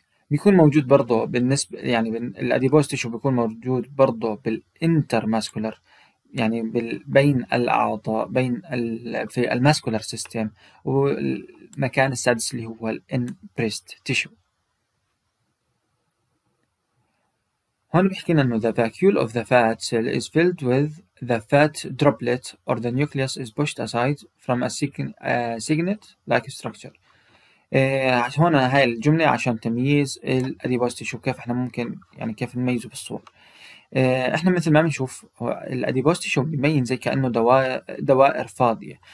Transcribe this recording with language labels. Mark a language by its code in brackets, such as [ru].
[ar] بيكون موجود برضه بالنسبه يعني الاديبوس تيشو بيكون موجود برضه بالانتر ماسكولار، يعني بين الاعضاء، بين في الماسكولار سيستم، والمكان السادس اللي هو الانبريست تيشو. هون بيحكي لنا انه [en] the vacuole of the fat cell is filled with the fat droplet or the nucleus is pushed aside from a signet like structure. [ar] هون هاي الجملة عشان تمييز الأديبوس تيشو، كيف احنا ممكن يعني كيف نميزه بالصور. احنا مثل ما بنشوف الأديبوس تيشو بيبين زي كأنه دوائر فاضية.